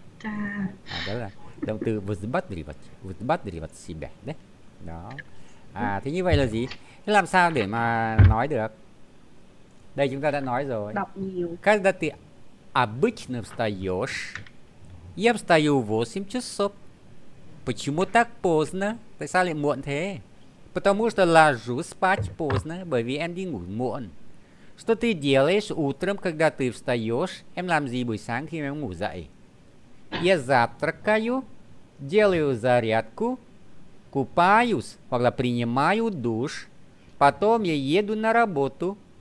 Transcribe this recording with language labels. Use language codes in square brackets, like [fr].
[vi] À, đó là động từ vượt bắt đi vật себя, đấy. Đó. À, thế như vậy là gì? Thế làm sao để mà nói được? Đây chúng ta đã nói rồi. Đọc nhiều. [ru] Когда ты обычно встаешь, я встаю в 8 часов. Почему так поздно? [vi] Tại sao lại muộn thế? [ru] Потому что ложусь спать поздно, [vi] bởi vì em đi ngủ muộn. [ru] Что ты делаешь утром, когда ты встаешь? [vi] Em làm gì buổi sáng khi em ngủ dậy? [ru] Я завтракаю, делаю зарядку, купаюсь, [vi] hoặc là [ru] принимаю душ, потом я еду на работу.